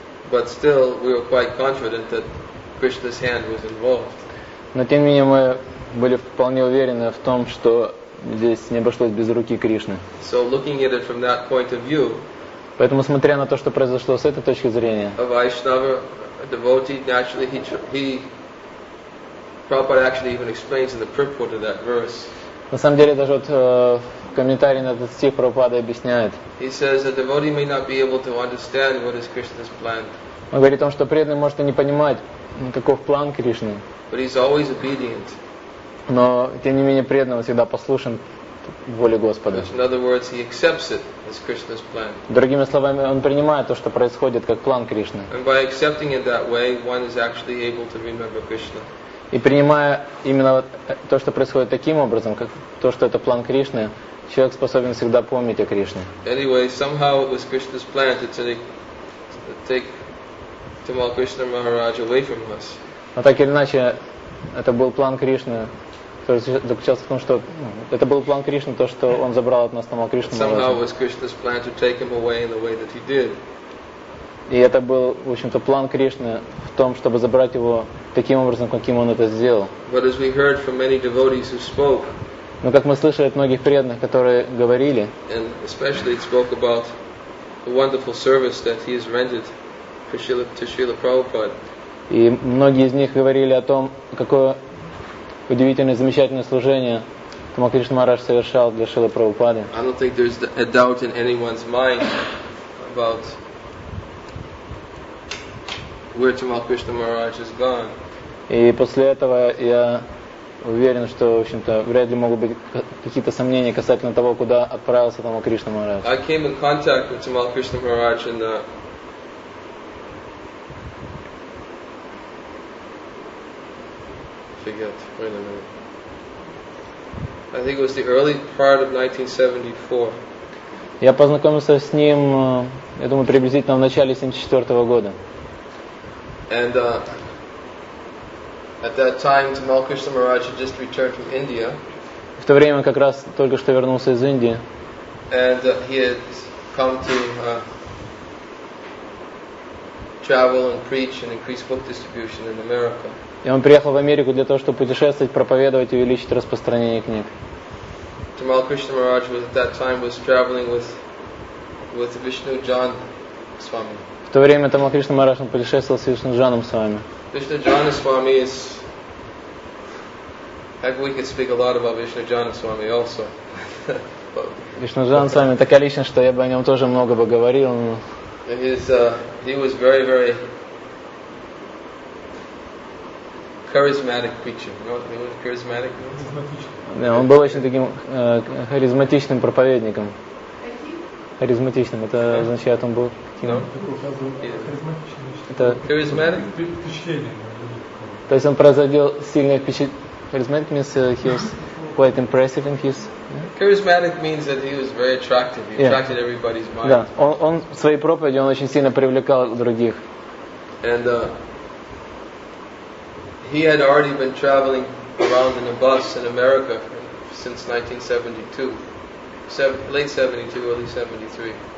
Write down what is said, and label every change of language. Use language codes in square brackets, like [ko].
[en] But still, we were quite confident that Krishna's hand was involved. [ru] Но тем не менее мы были вполне уверены в том, что здесь не обошлось без руки Кришны. [en] So looking at it from that point of view, [ru] поэтому, смотря на то, что произошло с этой точки зрения, [en] a Vaishnava, a devotee, naturally he Prabhupada actually even explains in the purport of that verse. [ru] На самом деле, даже вот в комментарии на этот стих Прабхупада объясняет. [en] He says a devotee may not be able to understand what is Krishna's plan. [ru] Он говорит о том, что преданный может и не понимать, каков план Кришны. [en] But he's always obedient. [ru] Но, тем не менее, преданный всегда послушен воле Господа. [en] In other words, he accepts it as Krishna's plan. [ru] Другими словами, он принимает то, что происходит, как план Кришны. [en] And by accepting it that way, one is actually able to remember Krishna. [ru] И принимая именно то, что происходит таким образом, как то, что это план Кришны, человек способен всегда помнить о Кришне. [en] Anyway, somehow it was Krishna's plan to take Tamal Krishna Maharaj away from us. [ru] Но так или иначе, это был план Кришны, который заключался в том, что это был план Кришны, то, что он забрал от нас Тамал Кришну. [en] Somehow was Krishna's plan to take him away in the way that he did. [ru] И это был, в общем-то, план Кришны в том, чтобы забрать его таким образом, каким он это сделал. [en] But as we heard from many devotees who spoke, [ru] но как мы слышали от многих преданных, которые говорили, [en] and especially it spoke about the wonderful service that he has rendered for Srila, to Srila Prabhupada. [ru] И многие из них говорили о том, какое удивительное, замечательное служение Тамал Кришна Махарадж совершал для Шрилы Прабхупады. [en] I don't think there's a doubt in anyone's mind about where Tamal Krishna Maharaj has gone. [ru] И после этого я уверен, что, в общем-то, вряд ли могут быть какие-то сомнения касательно того, куда отправился там Рамакришна Махарадж. [en] I came in contact with Рамакришна Махарадж in the I think it was the early part of 1974. [ru] Я познакомился с ним, я думаю, приблизительно в начале 74 года. [en] And at that time, Tamal Krishna Maharaj had just returned from India. [ru] В то время как раз только что вернулся из Индии. [en] And he had come to travel and preach and increase book distribution in America. [ru] И он приехал в Америку для того, чтобы путешествовать, проповедовать и увеличить распространение книг. [en] Tamal Krishna Maharaj was at that time was traveling with Vishnu John Swami. [ru] В то время Tamal Krishna Maharaj путешествовал с Вишну Джаном Свами. [en] Vishnu John Swami is. Heck, we could speak a lot about Vishnu John Swami also. [ru] Vishnu John Swami такая личность, что я бы о нем тоже много бы говорил. [en] He was very very charismatic preacher. You know what charismatic means? [ru] Yeah, он был очень таким харизматичным проповедником. Харизматичным. Это означает, он был таким... [en] No? Yeah. [ru] Это... То есть он производил сильное впечатление. [en] Харизматик means he was quite impressive in his... Charismatic means that he was very attractive. He attracted everybody's mind. [ru] Да. Он в своей проповеди он очень сильно привлекал других. [en] And he had already been traveling around in a bus in America since 1972, late 72, early 73.